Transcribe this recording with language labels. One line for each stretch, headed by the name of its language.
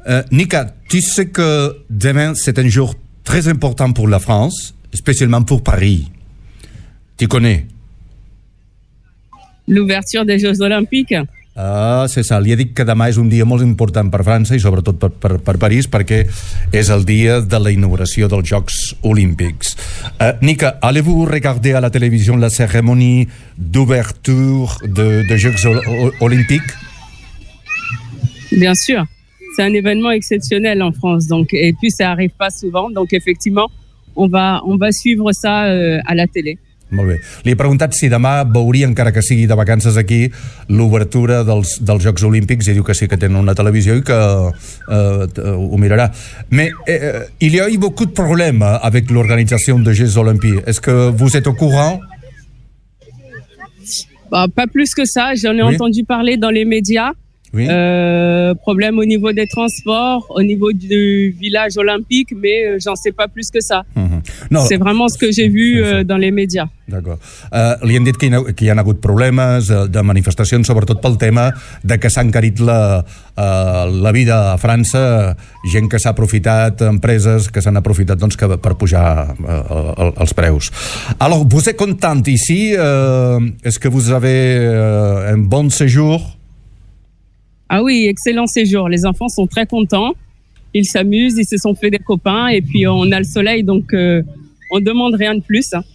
French: Nika, tu sais que demain c'est un jour très important pour la France, spécialement pour Paris. Tu connais? L'ouverture des Jeux Olympiques.
Catalan: Ah, c'est ça. Li he dit que demà és un dia molt important per França i sobretot per París, perquè és el dia de la inauguració dels Jocs Olímpics.
French: Nika, allez-vous regarder à la télévision la cérémonie d'ouverture de Jocs Olympiques? Bien sûr. C'est un événement exceptionnel en France. Donc, et puis, ça n'arrive pas souvent. Donc, effectivement, on va suivre ça à la télé.
Catalan: Molt bé. Li he preguntat si demà veuria, encara que sigui de vacances aquí, l'obertura dels Jocs Olímpics, i diu que sí, que tenen una televisió i que ho mirarà.
French: Mais il y a eu beaucoup de problèmes avec l'organisation de Jeux Olympiques. Est-ce que vous êtes au courant? Pas plus que ça. J'en ai oui? entendu parler dans les médias. Oui? Problème au niveau des transports, au niveau du village olympique, mais j'en sais pas plus que ça. Non, c'est vraiment ce que j'ai vu dans les médias. D'accord.
Catalan: Li hem dit que hi ha hagut problemes de manifestacions, sobretot pel tema de que s'ha encarit la vida a França, gent que s'ha aprofitat, empreses que s'han aprofitat doncs, que, per pujar els preus.
French: Alors, vous êtes content ici? Est-ce que vous avez un bon séjour? Ah oui, excellent séjour. Les enfants sont très contents. Ils s'amusent, ils se sont fait des copains et puis on a le soleil, donc on demande rien de plus.